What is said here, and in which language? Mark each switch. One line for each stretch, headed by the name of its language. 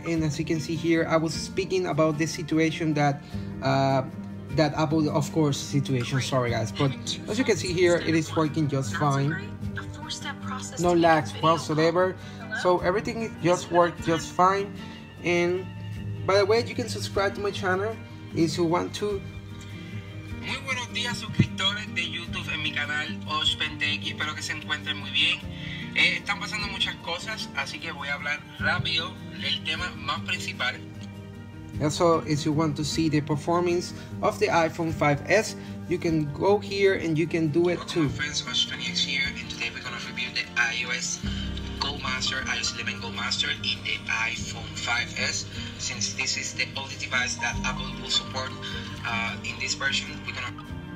English: And as you can see here, I was speaking about the situation that Apple, of course, situation, sorry guys, but as you can see here, it is working just fine, no lags whatsoever. So everything just worked just fine. And by the way, you can subscribe to my channel if you want to.
Spanish: Muy buenos días, suscriptores de YouTube en mi canal Oshpendeki. Espero que se encuentren muy bien. Están pasando muchas cosas, así que voy a hablar rápido del tema más principal.
English: Also, if you want to see the performance of the iPhone 5S, you can go here and you can do it too. Welcome, friends. Oshpendeki here, and today we're going to review the iOS 11 Go Master in the iPhone 5S. Since this is the only device that Apple will support in this version, we're going to...